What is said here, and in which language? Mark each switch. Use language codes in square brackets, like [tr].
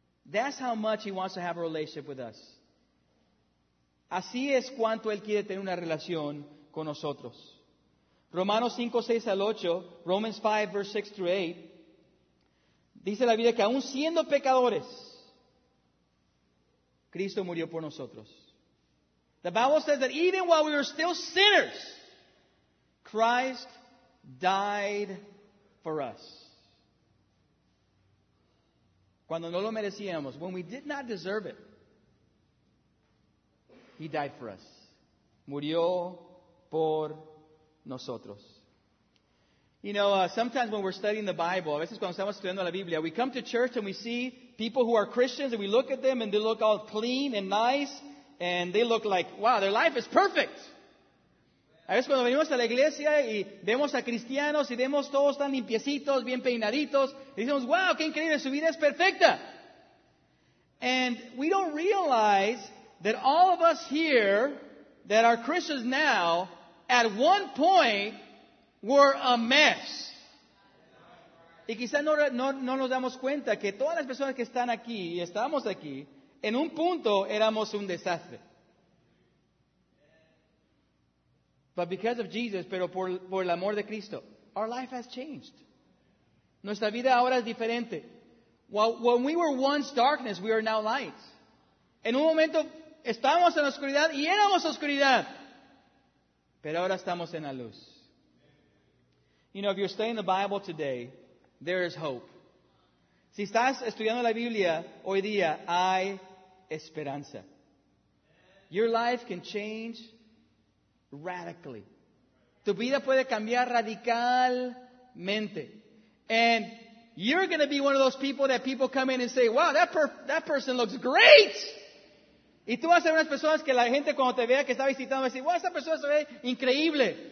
[en] That's how much he wants to have a relationship with us. [es] Así es cuanto él quiere tener una relación con nosotros. Romanos 5, 6 al 8, [en] Romans 5, verse 6 through 8, [es] dice la Biblia que aún siendo pecadores, Cristo murió por nosotros. [en] The Bible says that even while we were still sinners, Christ died for us. [es] Cuando no lo merecíamos, [en] when we did not deserve it, he died for us. [es] Murió por nosotros. [en] You know, sometimes when we're studying the Bible, [es] a veces cuando estamos estudiando la Biblia, [en] we come to church and we see people who are Christians and we look at them and they look all clean and nice and they look like, wow, their life is perfect. [es] A veces cuando venimos a la iglesia y vemos a cristianos y vemos todos tan limpiecitos, bien peinaditos, y decimos, wow, qué increíble, su vida es perfecta. [en] And we don't realize that all of us here that are Christians now, at one point, were a mess. [es] Y quizás no nos damos cuenta que todas las personas que están aquí y estamos aquí, en un punto éramos un desastre. [en] But because of Jesus, [es] pero por el amor de Cristo, [en] our life has changed. [es] Nuestra vida ahora es diferente. [en] When we were once darkness, we are now light. [es] En un momento estábamos en la oscuridad y éramos oscuridad. Pero ahora estamos en la luz. [en] You know, if you're studying the Bible today, there is hope. [es] Si estás estudiando la Biblia hoy día, hay esperanza. [en] Your life can change radically. [es] Tu vida puede cambiar radicalmente. [en] And you're going to be one of those people that people come in and say, wow, that person looks great. [es] Y tú vas a ser unas personas que la gente cuando te vea que está visitando va a decir, wow, esa persona se ve increíble.